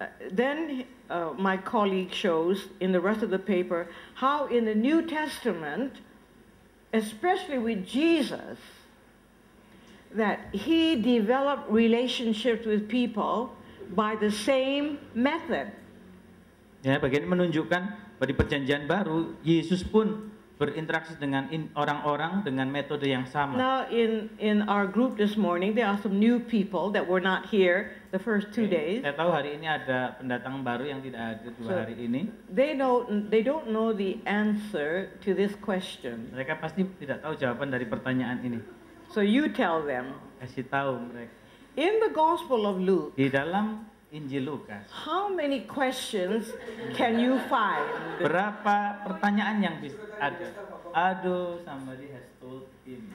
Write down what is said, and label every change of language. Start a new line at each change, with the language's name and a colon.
English: Then my colleague shows in the rest of the paper how in the New Testament, especially with Jesus, that he developed relationships with people by the same method.
Indonesian: Ya, bagian menunjukkan bahwa di Perjanjian Baru Yesus pun berinteraksi dengan orang-orang dengan metode yang sama.
English: Now in our group this morning there are some new people that were not here the first two days.
Indonesian: Saya tahu hari ini ada pendatang baru yang tidak hadir dua hari ini.
English: They don't know the answer to this question.
Indonesian: Mereka pasti tidak tahu jawaban dari pertanyaan ini.
English: So you tell them.
Indonesian: Kasih tahu mereka.
English: In the Gospel of Luke.
Indonesian: Di dalam Injil Lukas.
English: How many questions can you find?
Indonesian: Berapa pertanyaan yang bisa ada?
English: Aduh, somebody has told him.